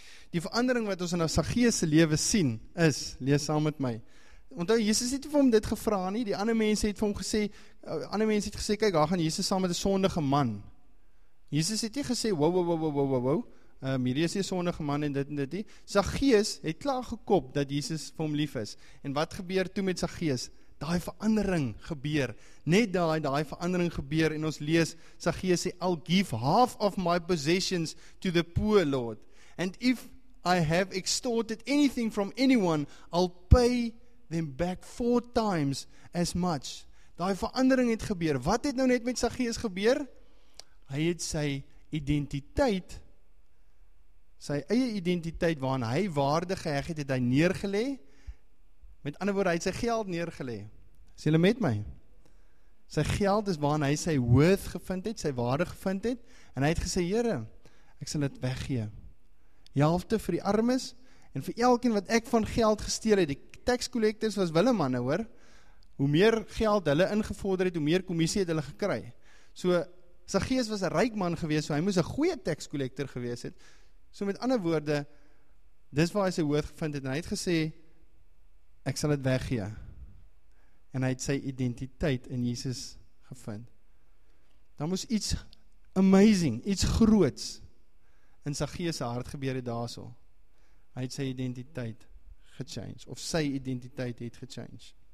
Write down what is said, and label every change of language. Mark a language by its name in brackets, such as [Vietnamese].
[Afrikaans] Die verandering wat ons in Saggeus se lewe sien is, lees saam met my, want Jesus het vir hom dit gevra nie, die ander mense het vir hom gesê, kyk, daar gaan Jesus saam met 'n sondige man. Jesus het nie gesê, wow, hierdie is die sondige man en dit en dit nie. Saggeus het klaar gekop dat Jesus vir hom lief is. En wat gebeur toe met Saggeus? Daai verandering gebeur. Net daai verandering gebeur en ons lees, Saggeus sê, [English] I'll give half of my possessions to the poor, Lord. And if I have extorted anything from anyone, I'll pay them back 4 times as much. [Afrikaans] Daai verandering het gebeur. Wat het nou net met Saggeus gebeur? Hy het sy identiteit, sy eie identiteit waaraan hy waarde geheg het, het hy neergelê. Met ander woorde, hy het sy geld neergelê. Is julle met my? Sy geld is waaraan hy sy worth gevind het, sy waarde gevind het, en hy het gesê, Here, ek sal dit weggee. Die helfte vir die armes, en vir elkeen wat ek van geld gesteel het, die tax collectors was wille manne hoor, hoe meer geld hulle ingevorder het, hoe meer kommissie het hulle gekry. So, Saggeus was 'n ryk man gewees, so hy moes 'n goeie tax collector gewees het. So met ander woorde, dis waar hy sy woord gevind het, en hy het gesê, ek sal dit weggee. En hy het sy identiteit in Jesus gevind. Dan moes iets amazing, iets groots, in Saggeus se hart gebeur het daarso. Hy het sy identiteit gechange, of sy identiteit het gechange.